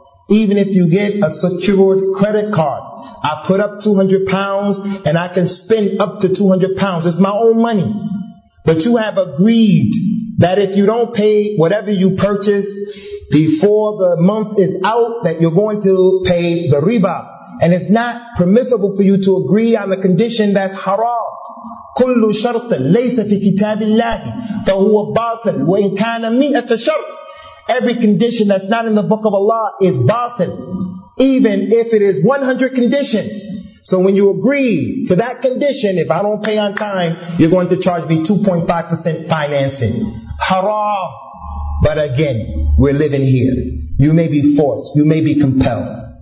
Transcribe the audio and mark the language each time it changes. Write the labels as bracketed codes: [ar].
[en] Even if you get a secured credit card, I put up £200 and I can spend up to £200. It's my own money. But you have agreed that if you don't pay whatever you purchase before the month is out, that you're going to pay the riba. And it's not permissible for you to agree on the condition that's haram. [ar] كل شرط ليس في كتاب الله فهو باطل وإن كان مئة شرط. [en] Every condition that's not in the book of Allah is باطل, even if it is 100 conditions. So when you agree to that condition, if I don't pay on time, you're going to charge me 2.5% financing. Haram. But again, we're living here. You may be forced, you may be compelled.